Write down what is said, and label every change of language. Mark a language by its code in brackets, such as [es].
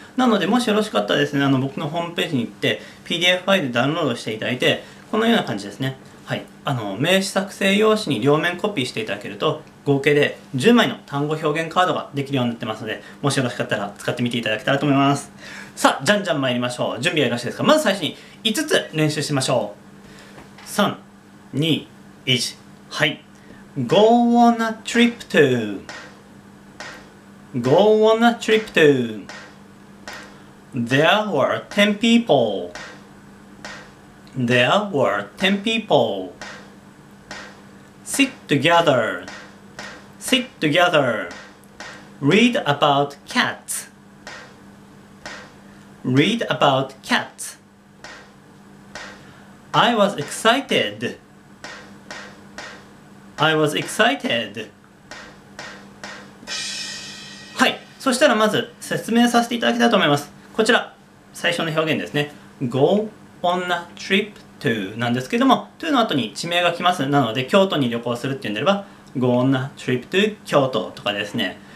[ja] なのでもしよろしかったらですね、僕のホームページに行って PDF ファイルダウンロードしていただいて、このような感じですね、はい、名刺作成用紙に両面コピーしていただけると合計で10枚の単語表現カードができるようになってますので、もしよろしかったら使ってみていただけたらと思います。さあ、じゃんじゃん参りましょう。準備はよろしいですか？まず最初に5つ練習しましょう。 3、2、1。 はい。 [en] Go on a trip to、 Go on a trip to、 There were 10 people、 There were 10 people、 Sit together、 Sit together、 Read about cats、 Read about cats、 I was excitedI was excited. [ja] はい。そしたらまず説明させていただきたいと思います。こちら、最初の表現ですね。 [en] Go on a trip to [ja] なんですけども、to の後に地名が来ます。なので、京都に旅行するっていうんであれば、 [en] Go on a trip to [ja] 京都とかですね。